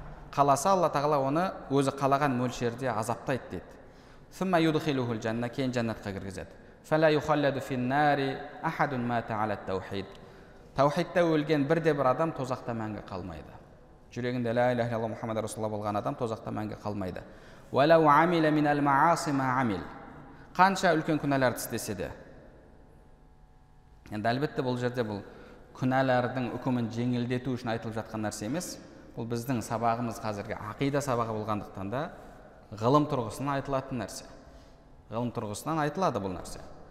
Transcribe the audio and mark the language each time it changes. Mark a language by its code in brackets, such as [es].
[kk] Қаласа Алла Тағала оны өзі қалаған мөлшерде азаптайды дейді. [ar] Сумма юдхилуху аль-джанна, [kk] кейін жәннатқа кіргізеді. [ar] Фала юхалладу фин-нари ахадун мата аля-тауһид. [kk] Тауһидта өлген бірде-бір адам тозақта мәңгі қалмайды. Жүрегінде [ar] ла иляха илля мухаммадур расулуллах [kk] болған адам тозақта мәңгі қалмайды. [ar] Ва лау амила мин аль-маасим ма амил. [kk] Қанша үлкен күнәларды істесе де. Енді әлбетте бұл жерде бұл күнәлердің үкімін жеңілдету үшін айтылып жатқан нәрсе емес. Бұл біздің сабағымыз қазіргі ақида сабағы болғандықтан да ғылым тұрғысынан айтылатын нәрсе. Ғылым тұрғысынан айтылады бұл нәрсе.